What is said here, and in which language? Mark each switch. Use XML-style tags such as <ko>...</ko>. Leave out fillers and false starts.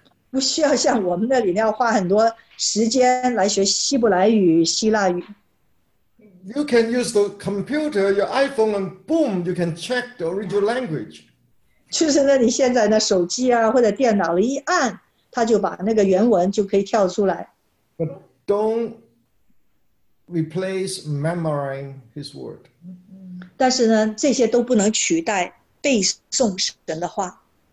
<zh>不需要像我们那里要花很多时间来学希伯来语、希腊语。</zh> <en>You can use the computer, your iPhone, and boom, you can check the original language.</en> <zh>就是那你现在的手机啊或者电脑一按它就把那个原文就可以跳出来。</zh> <en>But don't replace memorizing his word.</en> <zh>但是呢这些都不能取代背诵神的话。</zh>